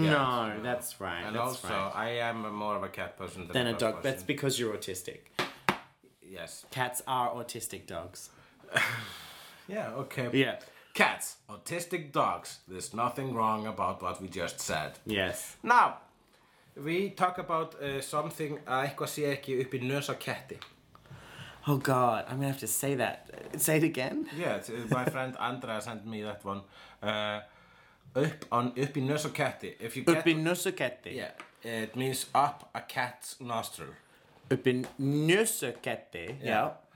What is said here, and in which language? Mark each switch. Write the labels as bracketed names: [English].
[English] No, that's right. And that's also, right. I am more of a cat person than a dog. That's because you're autistic. Yes. Cats are autistic dogs. Yeah, okay. Yeah. Cats, autistic dogs. There's nothing wrong about what we just said. Yes. Now, we talk about something [Icelandic] að eitthvað sé ekki upp í nös á ketti. [English] Oh God, I'm going to have to say that. Say it again. Yeah, my friend Andrea sent me that one. [Icelandic] Upp í nös á ketti. Upp í nös á ketti? [English] Yeah, it means up a cat's nostril. [Icelandic] Upp í nös á ketti, [English] yeah.